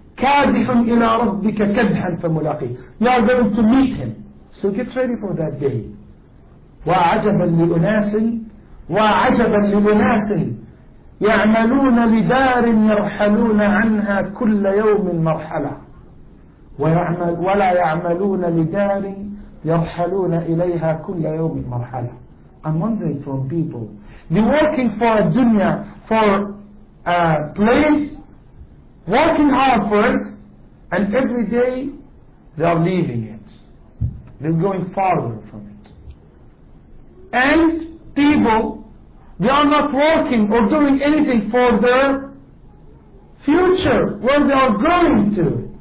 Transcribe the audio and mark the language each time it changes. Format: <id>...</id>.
<ar>كَادِحٌ إِلَىٰ رَبِّكَ كَدْحًا فَمُلَاقِيهِ.</ar> <en>You are going to meet Him. So get ready for that day.</en> <ar>وعجبا لأناس وعجبا لأناس يعملون لدار يرحلون عنها كل يوم مرحلة ولا يعملون لدار يرحلون إليها كل يوم مرحلة.</ar> <en>I'm wondering from people, you're working for a dunya, for a place, working hard for it, and every day they are leaving it, they're going farther from it. And people, they are not working or doing anything for their future, where they are going to.</en>